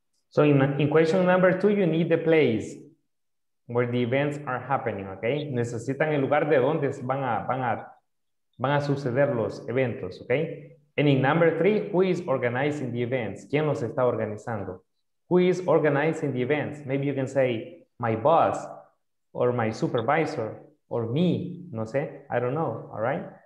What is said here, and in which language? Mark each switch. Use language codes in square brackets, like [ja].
[en] So in question number two, you need the place where the events are happening, okay? [es] Necesitan el lugar de donde van a suceder los eventos, okay? [en] And in number three, who is organizing the events? [es] ¿Quién los está organizando? [en] Who is organizing the events? Maybe you can say, my boss, or my supervisor, or me, [es] no sé, [en] I don't know, all right?